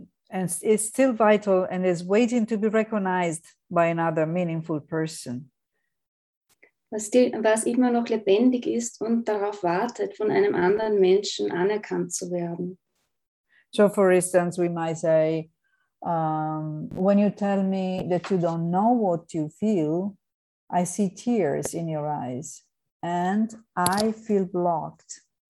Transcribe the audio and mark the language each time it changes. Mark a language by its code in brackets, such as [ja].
[en] And it's still vital and is waiting to be recognized by another meaningful person. [de] Was immer noch lebendig ist und darauf wartet, von einem anderen Menschen anerkannt zu werden. [en] So for instance, we might say, when you tell me that you don't know what you feel, I see tears in your eyes and I feel blocked.